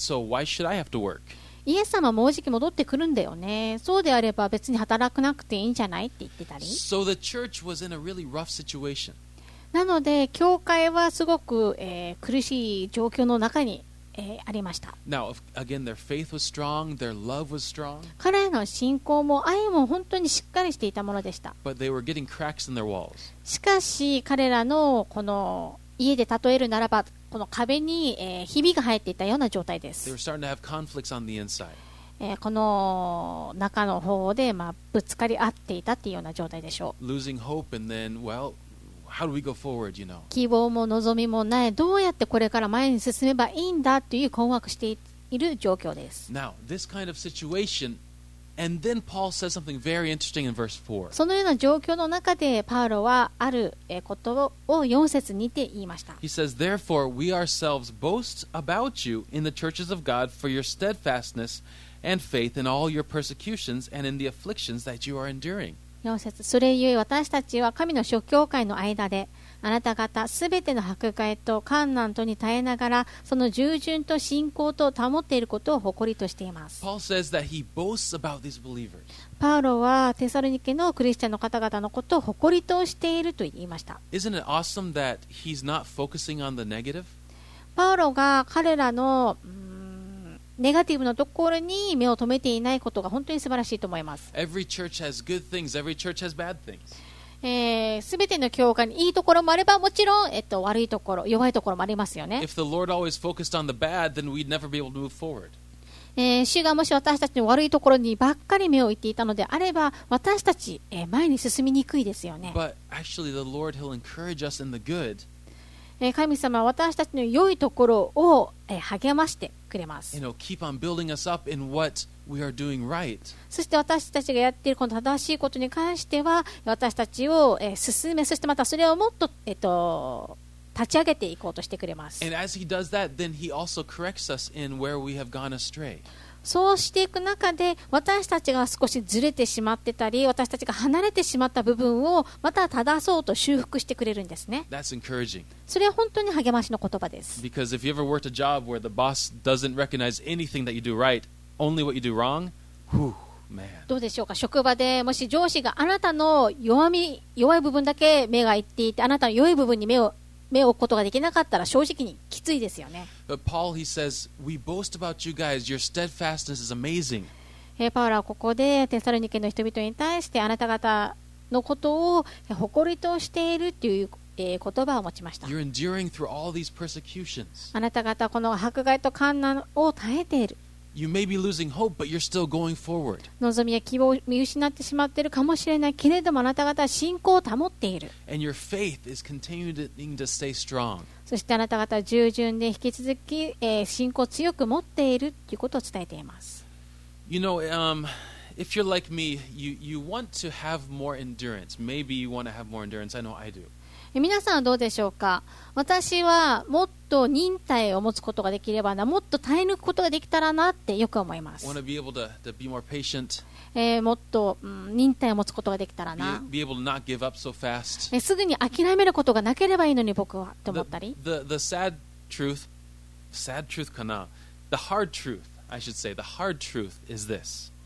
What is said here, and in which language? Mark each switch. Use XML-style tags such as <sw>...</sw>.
<en>So why should I have to work?</en> <ja>イエス様もうじき戻ってくるんだよね。そうであれば別に働くなくていいんじゃないって言ってたり。</ja> <en>So the church was in a really rough situation.</en> <ja>なので教会はすごく、苦しい状況の中に。ありました。</ja> <en>Now, again, their faith was strong, their love was strong.</en> <ja>彼の信仰も愛も本当にしっかりしていたものでした。</ja> <en>But they were getting cracks in their walls.</en> <ja>しかし彼らのこの家で例えるならばこの壁に、ひびが入っていたような状態です。</ja> <en>They were starting to have conflicts on the inside.</en> <ja>この中の方で、まあ、ぶつかり合っていたというような状態でしょう。</ja> <en>Losing hope and then, well,How do we go forward, you know?</en> <ja>希望も望みもない、どうやってこれから前に進めばいいんだという困惑している状況です。</ja> <en>Now, this kind of situation, and then Paul says something very interesting in verse 4.</en> <ja>そのような状況の中でパウロはあることを4節にて言いました。</ja> <en>He says, Therefore, we ourselves boast about you in the churches of God for your steadfastness and faith in all your persecutions and in the afflictions that you are enduring.</en> <ja>4節、それゆえ私たちは神の諸教会の間であなた方すべての迫害と患難とに耐えながらその従順と信仰と保っていることを誇りとしています。</ja> <en>Paul says that he boasts about these believers.</en> <ja>パウロはテサロニケのクリスチャンの方々のことを誇りとしていると言いました。</ja> <en>Isn't it awesome that he's not focusing on the negative?</en> <ja>パウロが彼らのネガティブのところに目を留めていないことが本当に素晴らしいと思います。</ja> <en>Every church has good things. Every church has bad things.</en> <ja>全ての教会にいいところもあればもちろん、悪いところ、弱いところもありますよね。</ja> <en>If the Lord always focused on the bad, then we'd never be able to move forward.</en> <ja>主がもし私たちの悪いところにばっかり目を置いていたのであれば私たち、前に進みにくいですよね。</ja> <en>But actually the Lord, he'll encourage us in the good.</en> <ja>神様は私たちの良いところを励ましてくれます。</ja> <en>You know, keep on building us up in what we are doing right.</en> <ja>そして私たちがやっているこの正しいことに関しては私たちを進め、そしてまたそれをもっと立ち上げていこうとしてくれます。</ja> <en>And as he does that, then he also corrects us in where we have gone astray.</en> <ja>そうしていく中で私たちが少しずれてしまってたり私たちが離れてしまった部分をまた正そうと修復してくれるんですね。</ja> <en>That's encouraging.</en> <ja>それは本当に励ましの言葉です。</ja> <en>Because if you ever worked a job where the boss doesn't recognize anything that you do right, only what you do wrong, whew, man.</en> <ja>どうでしょうか。職場でもし上司があなたの弱い部分だけ目がいっていてあなたの良い部分に目を目を置くことができなかったら正直にきついですよね。</ja> <en>But Paul, he says, we boast about you guys. Your steadfastness is amazing.</en> <ja>パウロはここでテサロニケの人々に対してあなた方のことを誇りとしているという言葉を持ちました。</ja> <en>You're enduring through all these persecutions.</en> <ja>あなた方はこの迫害と患難を耐えている。</ja> <en>You may be losing hope, but you're still going forward.</en> <ja>望みや希望を見失ってしまっているかもしれないけれども、あなた方は信仰を保っている。</ja> <en>And your faith is continuing to stay strong.</en> <ja>そしてあなた方は従順で引き続き、信仰を強く持っているということを伝えています。</ja> <en>You know, if you're like me, you want to have more endurance. Maybe you want to have more endurance. I know I do.</en> <ja>皆さんはどうでしょうか。私はもっと忍耐を持つことができればな、もっと耐え抜くことができたらなってよく思います。</ja> <en>Want to be able to be more patient.</en> <ja>もっと、忍耐を持つことができたらな。</ja> <en>Be able to not give up so fast.</en> <ja>すぐに諦めることがなければいいのに僕はって思ったり。</ja> <en>The sad truth かな。The hard truth. I should say, the hard truth is this.</en>